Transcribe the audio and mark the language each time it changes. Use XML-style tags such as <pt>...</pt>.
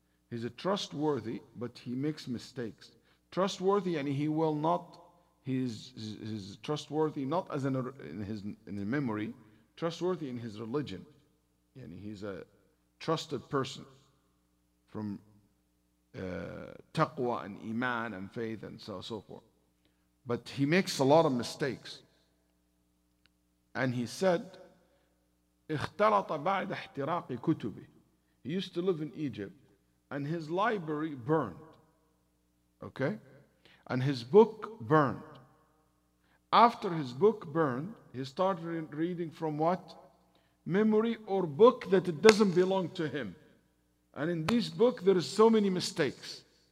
<en>He's a trustworthy, but he makes mistakes. Trustworthy, and he will not, he's trustworthy, not as in his memory, trustworthy in his religion. And he's a trusted person from taqwa and iman and faith and so forth. But he makes a lot of mistakes. And he said,</en> <ar>اختلط بعد احتراق كتبه.</ar> <en>He used to live in Egypt, and his library burned, okay? And his book burned. After his book burned, he started reading from what? Memory or book that it doesn't belong to him. And in this book, there is so many mistakes.</en>